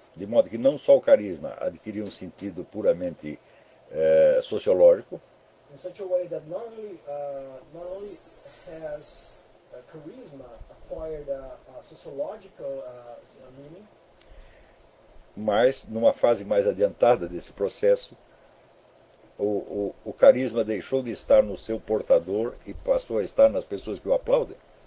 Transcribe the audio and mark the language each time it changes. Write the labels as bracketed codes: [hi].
[pt] De modo que não só o carisma adquiriu um sentido puramente sociológico. [en] In such a way that not only has charisma acquired a sociological meaning, [pt] mas numa fase mais adiantada desse processo, O carisma deixou de estar no seu portador e passou a estar nas pessoas que o aplaudem.